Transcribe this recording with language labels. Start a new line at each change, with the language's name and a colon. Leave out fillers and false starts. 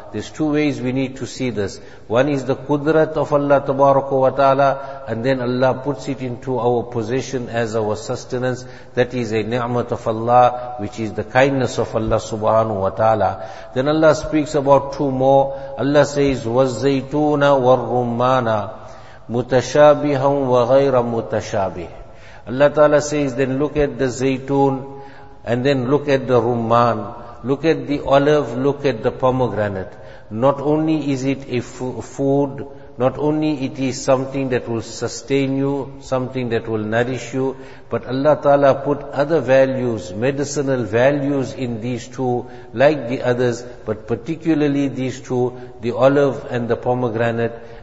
English: There's two ways we need to see this. One is the qudrat of Allah tabaraka wa ta'ala, and then Allah puts it into our possession as our sustenance. That is a ni'mat of Allah, which is the kindness of Allah subhanahu wa ta'ala. Then Allah speaks about two more.
Arabic: Allah says, وَالزَّيْتُونَ وَالرُّمَّانَ مُتَشَابِهًا وَغَيْرَ مُتَشَابِهًا.
English: Allah ta'ala says, then look at the zaytun, and then look at the rumman, look at the olive, look at the pomegranate. Not only is it a food, not only it is something that will sustain you, something that will nourish you, but Allah ta'ala put other values, medicinal values in these two, like the others, but particularly these two, the olive and the pomegranate.